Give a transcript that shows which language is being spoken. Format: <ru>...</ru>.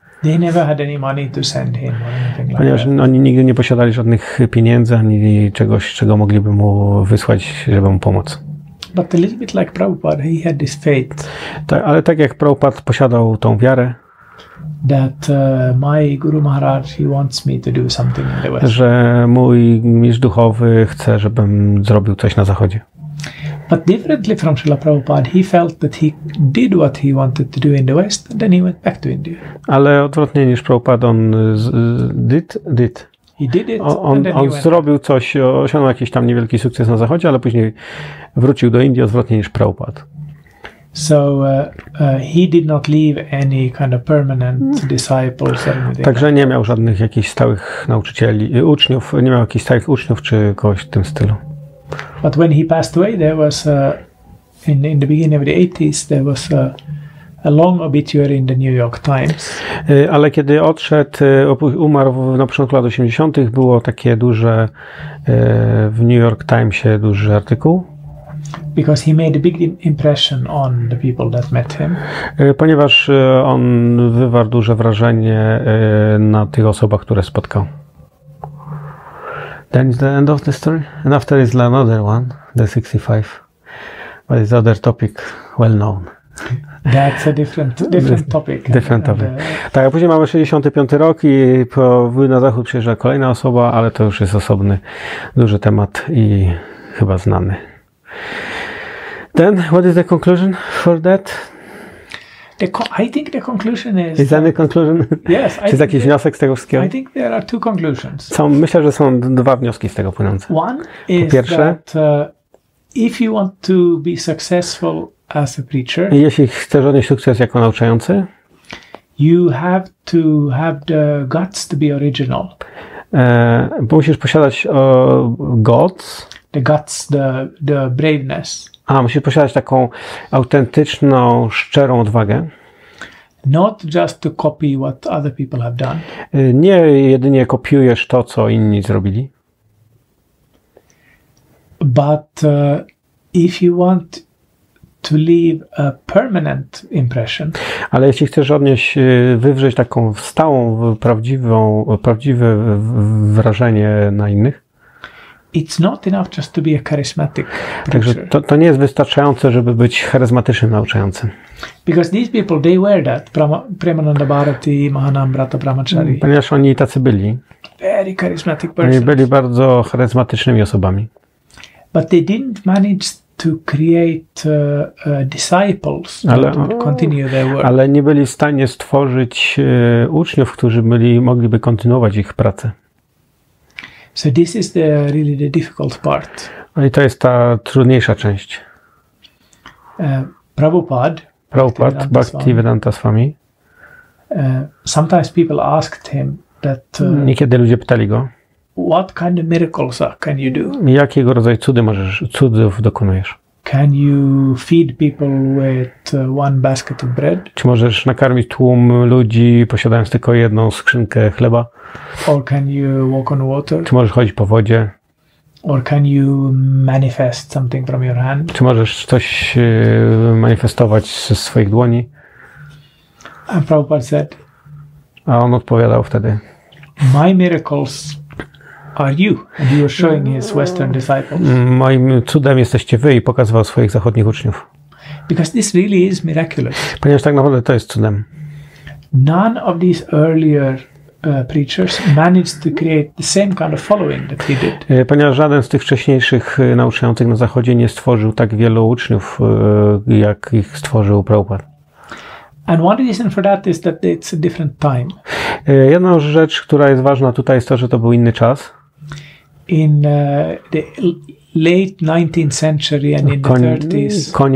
<en>They never had any money to send him or anything like that.</en> <pl>Ponieważ oni nigdy nie posiadali żadnych pieniędzy ani czegoś, czego mogliby mu wysłać, żeby mu pomóc.</pl> <en>But a little bit like Prabhupada, he had this faith.</en> <pl>Ale tak jak Prabhupada posiadał tą wiarę,</pl> <en>that my guru Maharaj, he wants me to do something in the West.</en> <pl>Że mój mistrz duchowy chce, żebym zrobił coś na zachodzie.</pl> <en>But differently from Srila Prabhupada, he felt that he did what he wanted to do in the West, and then he went back to India.</en> <pl>Ale odwrotnie niż Prabhupada, on</pl> <en>did. He did it,</en> <pl>on zrobił coś, osiągnął jakiś tam niewielki sukces na zachodzie, ale później wrócił do Indii odwrotnie niż Prabhupada.</pl> <en>So he did not leave any kind of permanent disciples or anything.</en> <pl>Także nie miał żadnych jakichś stałych nauczycieli, uczniów, nie miał jakichś stałych uczniów czy kogoś w tym stylu.</pl> <en>But when he passed away, there was in the beginning of the 80s, there was a long obituary in the New York Times.</en> <pl>Ale kiedy odszedł, umarł na początku lat 80., było takie duże w New York Timesie duży artykuł.</pl> <en>Because he made a big impression on the people that met him.</en> <pl>Ponieważ on wywarł duże wrażenie na tych osobach, które spotkał.</pl> <en>Then is the end of the story. And after is another one, the 65. But it's other topic, well known. That's a different topic. Different topic.</en> <pl>Tak, a później mamy 65. rok i na zachód przyjeżdża kolejna osoba, ale to już jest osobny, duży temat i chyba znany.</pl> <en>Then, what is the conclusion for that? I think the conclusion is... Is that the conclusion? Yes.</en> <pl>Czy jest jakiś wniosek z tego wszystkiego?</pl> <en>I think there are two conclusions.</en> <pl>Myślę, że są dwa wnioski z tego płynące.</pl> <en>One is that if you want to be successful as a preacher...</en> <pl>Jeśli chcesz odnieść sukces jako nauczający...</pl> <en>You have to have the guts to be original.</en> <pl>Musisz posiadać guts.</pl> <en>The guts, the braveness.</en> <pl>Musisz posiadać taką autentyczną, szczerą odwagę.</pl> <en>Not just to copy what other people have done.</en> <pl>Nie jedynie kopiujesz to, co inni zrobili.</pl> <en>But if you want to leave a permanent impression.</en> <pl>Ale jeśli chcesz odnieść, wywrzeć taką stałą, prawdziwe wrażenie na innych,</pl> <en>it's not enough just to be a charismatic preacher.</en> <pl>Także to nie jest wystarczające, żeby być charyzmatycznym nauczającym.</pl> <en>Because these people, they were that. Premananda Bharati, Mahanambrata Brahmachari.</en> <pl>Ponieważ oni tacy byli.</pl> <en>Very charismatic persons.</en> <pl>Oni byli bardzo charyzmatycznymi osobami.</pl> <en>But they didn't manage to create disciples continue their work.</en> <pl>Ale nie byli w stanie stworzyć uczniów, którzy mogliby kontynuować ich pracę.</pl> <en>So this is the really the difficult part.</en> <pl>No i to jest ta trudniejsza część.</pl> <en>Prabhupada, Bhaktivedanta Swami. Sometimes people asked him that.</en> <pl>Niekiedy ludzie pytali go.</pl> <en>What kind of miracles can you do?</en> <pl>Jakiego rodzaju cudów dokonujesz?</pl> <en>Can you feed people with one basket of bread?</en> <pl>Czy możesz nakarmić tłum ludzi, posiadając tylko jedną skrzynkę chleba?</pl> <en>Or can you walk on water?</en> <pl>Czy możesz chodzić po wodzie?</pl> <en>Or can you manifest something from your hand?</en> <pl>Czy możesz coś manifestować ze swoich dłoni?</pl> <en>And Prabhupada said.</en> <pl>A on odpowiadał wtedy.</pl> <en>My miracles are you, and you are showing his Western disciples.</en> <pl>Moim cudem jesteście wy i pokazywał swoich zachodnich uczniów.</pl> <en>Because this really is miraculous.</en> <pl>Ponieważ tak naprawdę to jest cudem.</pl> <en>None of these earlier preachers managed to create the same kind of following that he did.</en> <pl>Ponieważ żaden z tych wcześniejszych nauczających na Zachodzie nie stworzył tak wielu uczniów, jak ich stworzył Prabhupada.</pl> <en>And one reason for that is that it's a different time.</en> <pl>Jedna rzecz, która jest ważna tutaj, jest to, że to był inny czas.</pl> <en>In the late 19th century and in the 30s.</en>